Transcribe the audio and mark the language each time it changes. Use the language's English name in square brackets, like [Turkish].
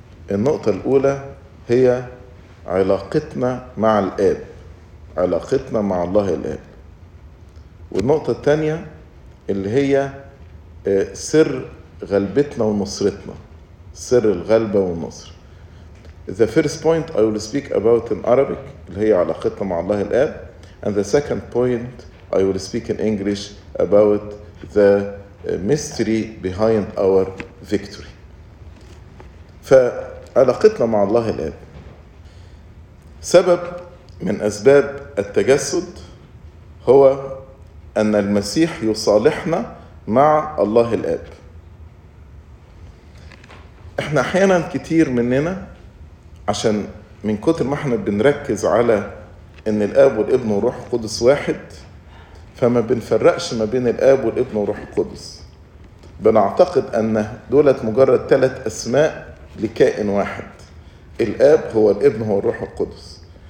[Arabic] النقطة الأولى هي علاقتنا مع الآب، علاقتنا مع الله الآب، والنقطة الثانية اللي هي سر غلبتنا ونصرتنا، سر الغلبة والنصر. [English] The first point I will speak about in Arabic [Arabic] اللي هي علاقتنا مع الله الآب، [English] and the second point I will speak in English about the mystery behind our victory. [Arabic] فعلاقتنا مع الله الآب، سبب من أسباب التجسد هو أن المسيح يصالحنا مع الله الآب. احنا احيانا كتير مننا عشان من كتر ما احنا بنركز على ان الاب والابن والروح القدس واحد، فما بنفرقش ما بين الاب والابن والروح القدس، بنعتقد ان دولت مجرد ثلاث اسماء لكائن واحد، الاب هو الابن هو الروح القدس.